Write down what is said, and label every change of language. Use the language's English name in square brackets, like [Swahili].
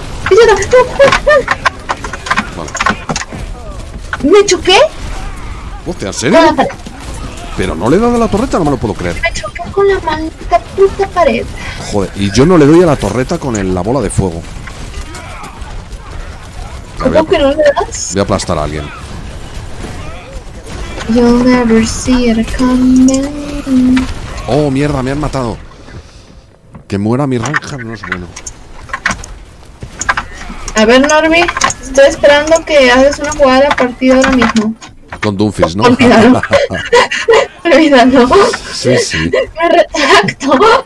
[Spanish] ¡Ayuda! Vale. ¿Me choqué? Hostia, ¿en serio? Vale. Pero no le he dado a la torreta, no me lo puedo creer. Me choqué con la maldita puta pared. Joder, y yo no le doy a la torreta con la bola de fuego. ¿Cómo que no le das? Voy a aplastar a alguien. [English] You'll never see it coming. [Spanish] Oh, mierda, me han matado. Que muera mi ranja no es bueno. A ver, Norby, estoy esperando que hagas una jugada de la partida ahora mismo. Con Doomfist, ¿no? Olvídalo. Sí, sí. Me retracto.